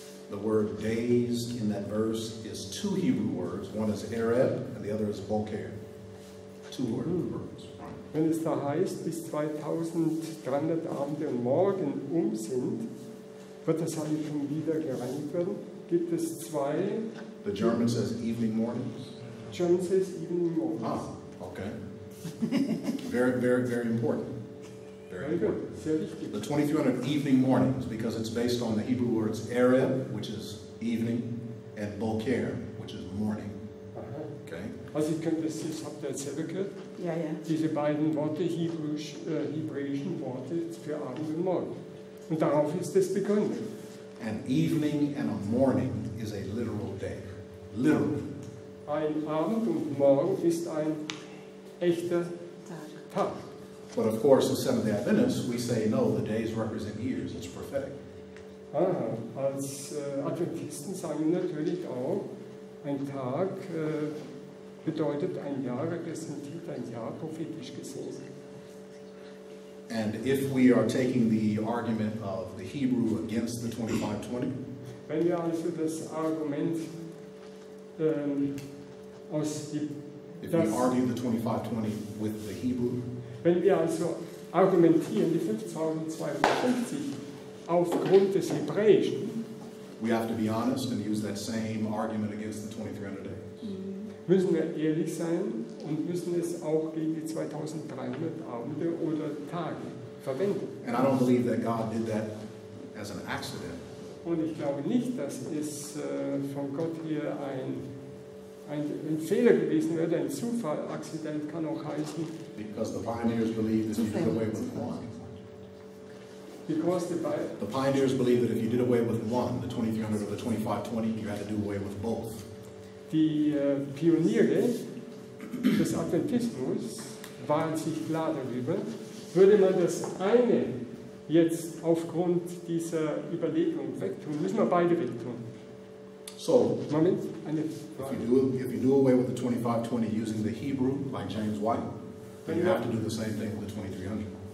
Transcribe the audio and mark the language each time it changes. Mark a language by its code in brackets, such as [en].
[en] The word days in that verse is two Hebrew words. One is Ereb and the other is Boker. Two Hebrew words. [de] Wenn es da heißt, bis 2,300 Abende und Morgen um sind, wird das Heiligtum wieder gereinigt werden, gibt es zwei... [en] The German says evening mornings. German says evening mornings. Ah, okay. Very, very, very important. Very good. [de] Sehr wichtig. [en] The 2300 evening mornings, because it's based on the Hebrew words Ereb, which is evening, and Boker, which is morning. Okay. [de] Also ich könnte das, habt ihr jetzt selber gehört? Ja, ja. Diese beiden Worte, Hebräisch, hebräischen Worte für Abend und Morgen. Und darauf ist es begründet. [en] An evening and a morning is a literal day. Literal. [de] Ein Abend und Morgen ist ein echter Tag. [en] But of course, as Seventh-day Adventists, we say, no, the days represent years. It's prophetic. Aha. [de] Als Adventisten sagen wir natürlich auch, ein Tag bedeutet ein Jahr, repräsentiert ein Jahr, prophetisch gesehen. [en] And if we are taking the argument of the Hebrew against the 2520, [de] wenn wir also das Argument aus die, [en] if das, we argue the 2520 with the Hebrew, [de] wenn wir also argumentieren die 5250 aufgrund des Hebräischen, [en] we have to be honest and use that same argument against the 2300 days. [de] Müssen wir ehrlich sein und müssen es auch gegen die 2300 Abende oder Tage verwenden. [en] And I don't believe that God did that as an accident. [de] Und ich glaube nicht, dass es von Gott hier ein Fehler gewesen wäre, ein Zufall, Accident kann auch heißen. [en] Because the pioneers believe that if you did away with one. Because the pioneers believe that if you did away with one, the 2300 or the 2520, you had to do away with both. [de] Die Pioniere des Adventismus waren sich klar darüber, würde man das eine jetzt aufgrund dieser Überlegung wegtun, müssen wir beide wegtun. [en] So, [de] Moment, eine Frage. [en] If you do away with the 2520 using the Hebrew, like James White, then you have to do the same thing with the 2300.